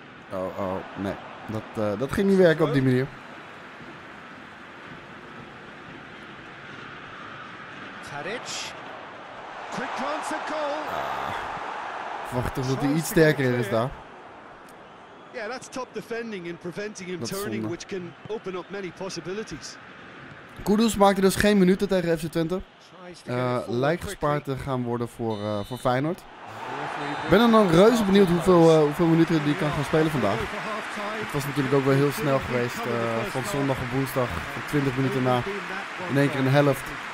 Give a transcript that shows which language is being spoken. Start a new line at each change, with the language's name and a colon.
Dutch: Oh, oh, nee. Dat ging niet werken op die manier.
English: Tadic. Quick chance at goal.
Dutch: Wacht toch dat hij iets sterker is daar. Ja, dat is
English: top defending in preventing him turning, which can open up many possibilities.
Dutch: Kudus maakte dus geen minuten tegen FC Twente. Lijkt gespaard te gaan worden voor Feyenoord. Ik ben dan reuze benieuwd hoeveel minuten die kan gaan spelen vandaag. Het was natuurlijk ook wel heel snel geweest. Van zondag op woensdag, 20 minuten na, in één keer een helft.